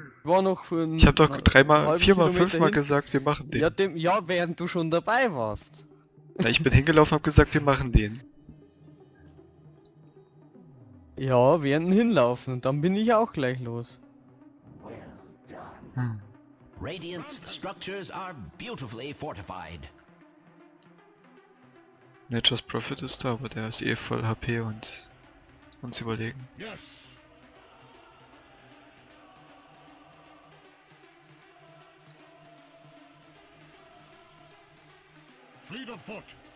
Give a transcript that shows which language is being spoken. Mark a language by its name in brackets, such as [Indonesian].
[German] war noch für ich hab doch dreimal, viermal, fünfmal gesagt, wir machen den. Ja, während du schon dabei warst. Na, ich bin hingelaufen, hab gesagt, wir machen den. Ja, während hinlaufen. Und dann bin ich auch gleich los. [English] Radiant's structures are beautifully fortified. [German] Nature's Prophet ist da, aber der ist eh voll HP und uns überlegen. [English] Yes. Fleet of foot.